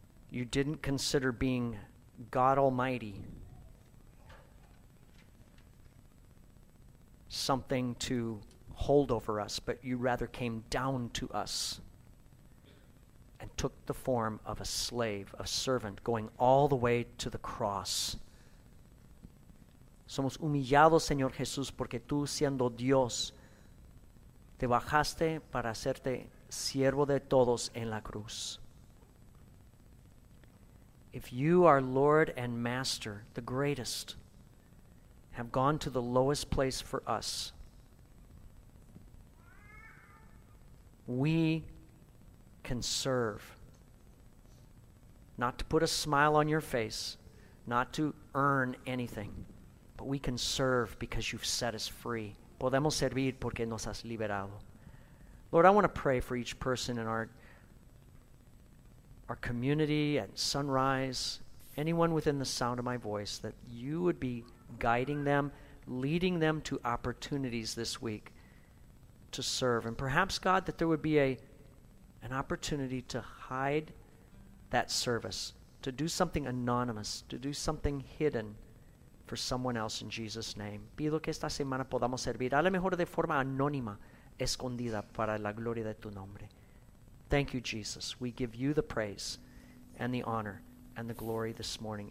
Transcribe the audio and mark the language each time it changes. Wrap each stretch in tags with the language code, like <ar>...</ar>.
<en>You didn't consider being God Almighty something to hold over us, but you rather came down to us and took the form of a slave, a servant, going all the way to the cross.</en> <es>Somos humillados, Señor Jesús, porque tú, siendo Dios, te bajaste para hacerte siervo de todos en la cruz.</es> <en>If you are Lord and Master, the greatest, have gone to the lowest place for us, we can serve. Not to put a smile on your face, not to earn anything. But we can serve because you've set us free.</en> <es>Podemos servir porque nos has liberado.</es> <en>Lord, I want to pray for each person in our community at Sunrise, anyone within the sound of my voice, that you would be guiding them, leading them to opportunities this week to serve. And perhaps, God, that there would be an opportunity to hide that service, to do something anonymous, to do something hidden, for someone else in Jesus' name.</en> <es>Pido que esta semana podamos servir a lo mejor de forma anónima, escondida para la gloria de tu nombre.</es> <en>Thank you, Jesus. We give you the praise and the honor and the glory this morning.</en>